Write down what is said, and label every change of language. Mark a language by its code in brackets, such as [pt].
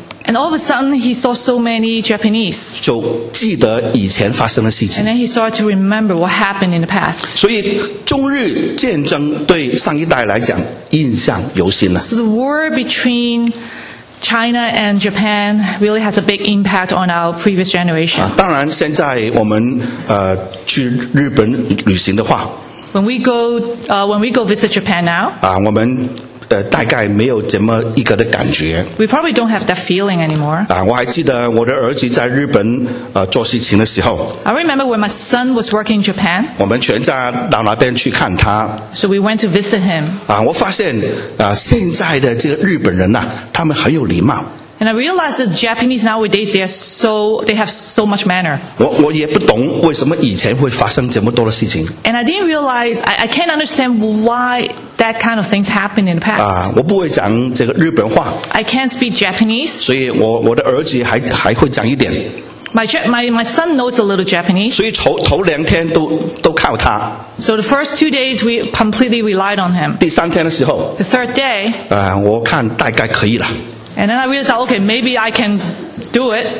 [en] And all of a sudden, he saw so many Japanese. [zh] 就记得以前发生的事情。 [en] And then he started to remember what happened in the past. [zh] 所以中日战争对上一代来讲印象犹新了。 [en] So the war between China and Japan really has a big impact on our previous generation. [zh] 当然现在我们去日本旅行的话 [en] When we go visit Japan now, [zh] 我们大概没有这么一个的感觉。 [en] We probably don't have that feeling anymore. [zh] 我还记得我的儿子在日本做事情的时候。 [en] I remember when my son was working in Japan. [zh] 我们全家到那边去看他。 [en] So we went to visit him. [zh] 我发现现在的这个日本人他们很有礼貌。 [en] And I realized that Japanese nowadays they have so much manner. [zh] 我也不懂为什么以前会发生这么多的事情。 [en] And I didn't realize I can't understand why that kind of things happened in the past. [zh] 我不会讲这个日本话。 [en] I can't speak Japanese. [zh] 所以我的儿子还会讲一点。 [en] My son knows a little Japanese. [zh] 所以头两天都靠他。 [en] So the first 2 days we completely relied on him. [zh] 第三天的时候。 [en] The third day. [zh] 我看大概可以了。 [en] And then I realized, okay, maybe I can do it.